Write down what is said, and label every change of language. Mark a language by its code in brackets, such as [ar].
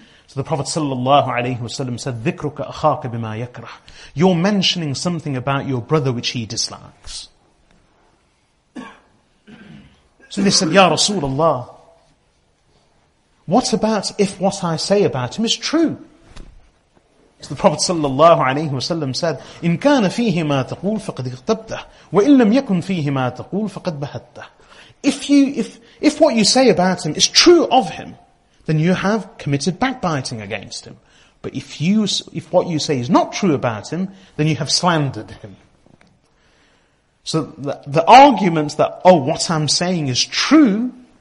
[en] So the Prophet sallallahu alayhi wasallam said, [ar] "Dhikruka akhaka bima yakrah." [en] You're mentioning something about your brother which he dislikes. So they said, Ya Rasulullah, what about if what I say about him is true? So the Prophet sallallahu alayhi wa sallam said, [ar] إِن كَانَ فِيهِ مَا تَقُولُ فَقَدْ اِغْتَبْتَهُ وَإِن لَمْ يَكُنْ فِيهِ مَا تَقُولُ فَقَدْ بَهَدْتَهُ. [en] If what you say about him is true of him, then you have committed backbiting against him. But if what you say is not true about him, then you have slandered him. So the arguments that, oh, what I'm saying is true.